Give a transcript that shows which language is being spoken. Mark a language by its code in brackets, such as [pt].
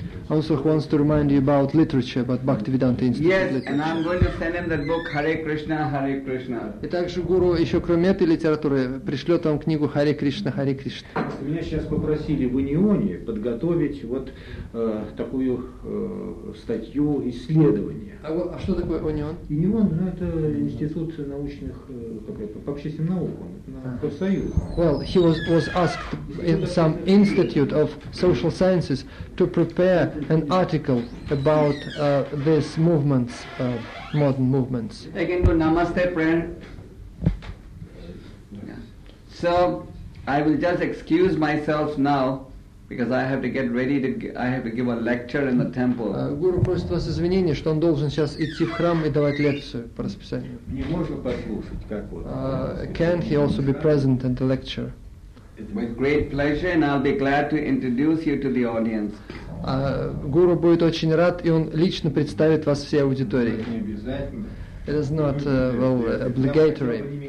[en] Also wants to remind you about literature, about Bhaktivedanta Institute. Yes, and I'm going to send him that book, Hare Krishna, Hare Krishna. [ru] И также гуру еще кроме этой литературы пришлет вам книгу Hare Krishna, Hare Krishna. Меня сейчас попросили в Унионе подготовить вот такую статью исследования. А что такое Унион? Унион, ну это институт научных, как это, по общественным наукам, профсоюз. [en] Well, he was asked in some institute of social sciences to prepare an article about these movements, modern movements. I can do namaste prayer. So I will just excuse myself now because I have to get ready to give a lecture in the temple. [ru] Guru просит вас извинения, что он должен сейчас идти в храм и давать лекцию по расписанию. Не можно послушать, как вот. [en] Can he also be present at the lecture? With great pleasure, and I'll be glad to introduce you to the audience. [ru] Гуру будет очень рад, и он лично представит вас всей аудитории. [en] It is not well, obligatory.